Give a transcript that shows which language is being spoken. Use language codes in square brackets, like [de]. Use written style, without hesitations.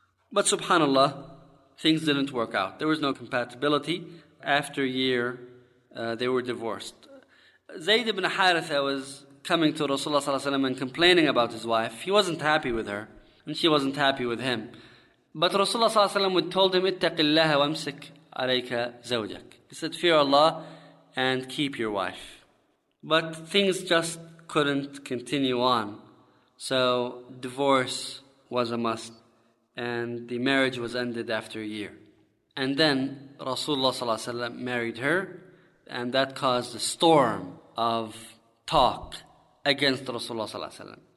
[en] But subhanallah, things didn't work out. There was no compatibility. After a year, they were divorced. Zayd ibn Haritha was coming to Rasulullah sallallahu alayhi wa sallam and complaining about his wife. He wasn't happy with her. And she wasn't happy with him. But Rasulullah صلى الله عليه وسلم would told him, [ar] اتق الله وامسك عليك زوجك. [en] He said, fear Allah and keep your wife. But things just couldn't continue on. So divorce was a must. And the marriage was ended after a year. And then Rasulullah صلى الله عليه وسلم married her. And that caused a storm of talk against Rasulullah صلى الله عليه وسلم.